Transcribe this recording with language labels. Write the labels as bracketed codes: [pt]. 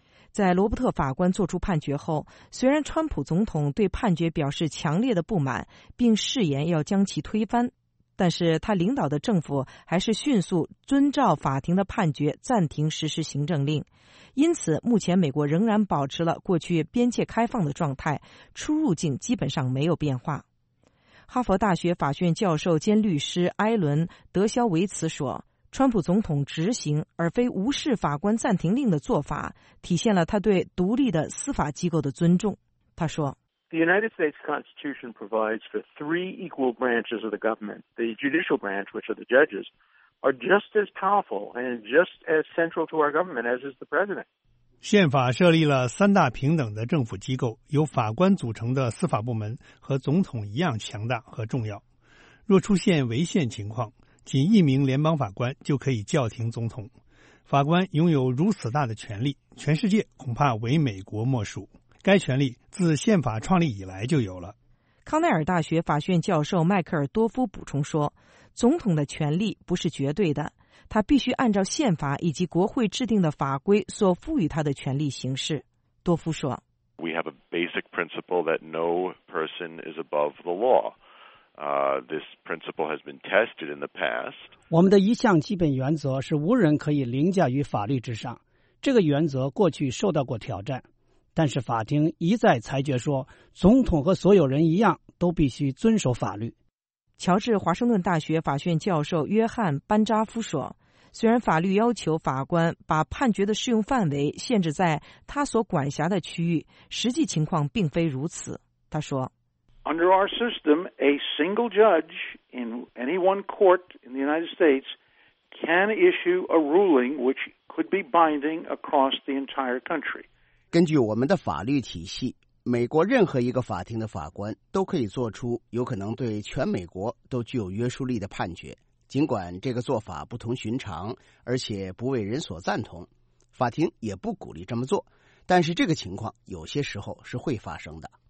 [zh] 在罗伯特法官作出判决后，虽然川普总统对判决表示强烈的不满，并誓言要将其推翻，但是他领导的政府还是迅速遵照法庭的判决暂停实施行政令，因此目前美国仍然保持了过去边界开放的状态，出入境基本上没有变化。哈佛大学法学院教授兼律师埃伦·德肖维茨说，川普总统执行而非无视法官暂停令的做法，体现了他对独立的司法机构的尊重。他说， [en] The United States Constitution provides for three equal branches of the government. The judicial branch, which are the judges, are just as powerful and just as central to our government as is the president. [zh] 宪法设立了三大平等的政府机构，由法官组成的司法部门和总统一样强大和重要。若出现违宪情况，仅一名联邦法官就可以叫停总统。法官拥有如此大的权力，全世界恐怕唯美国莫属。该权利自宪法创立以来就有了。康奈尔大学法学院教授迈克尔·多夫补充说，总统的权力不是绝对的，他必须按照宪法以及国会制定的法规所赋予他的权力行事。多夫说， [en] We have a basic principle that no person is above the law. This principle has been tested in the past. [zh] 我们的一项基本原则是无人可以凌驾于法律之上，这个原则过去受到过挑战，但是法庭一再裁决说，总统和所有人一样都必须遵守法律。乔治华盛顿大学法学院教授约翰·班扎夫说，虽然法律要求法官把判决的适用范围限制在他所管辖的区域，实际情况并非如此。他说， [en] Under our system, a single judge in any one court in the United States can issue a ruling which could be binding across the entire country. [zh] 根据我们的法律体系，美国任何一个法庭的法官都可以做出有可能对全美国都具有约束力的判决，尽管这个做法不同寻常，而且不为人所赞同，法庭也不鼓励这么做，但是这个情况有些时候是会发生的。